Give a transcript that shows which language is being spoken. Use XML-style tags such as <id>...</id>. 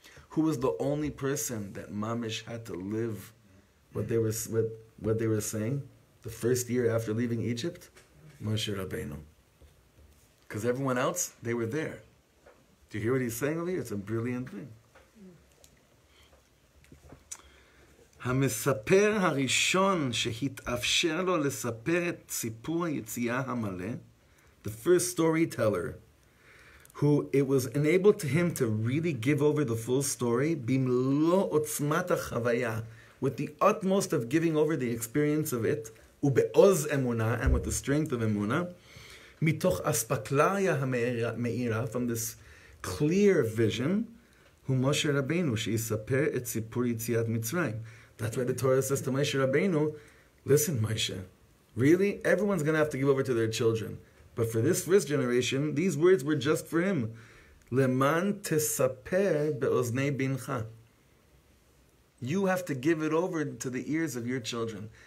<en>who was the only person that Mamish had to live what they were saying the first year after leaving Egypt? Moshe Rabbeinu. Because everyone else, they were there. Do you hear what he's saying over here? It's a brilliant thing.</en> <he>המספר הראשון שהתאפשר לו לספר את סיפור היציאה המלא,</he> <en>the first storyteller, who it was enabled to him to really give over the full story,</en> <he>במלוא עוצמת החוויה,</he> <en>with the utmost of giving over the experience of it,</en> <he>ובעוז אמונה,</he> <en>and with the strength of אמונה,</en> <he>מתוך אספקלריה המאירה,</he> <en>from this clear vision,</en> <he>הוא משה רבינו, שיספר את סיפור יציאת מצרים.</he> <en>That's why the Torah says to Moshe Rabbeinu, listen, Moshe, really? Everyone's going to have to give over to their children. But for this first generation, these words were just for him.</en> <he>Leman tesaper beoznei bincha.</he> <en>You have to give it over to the ears of your children.</en>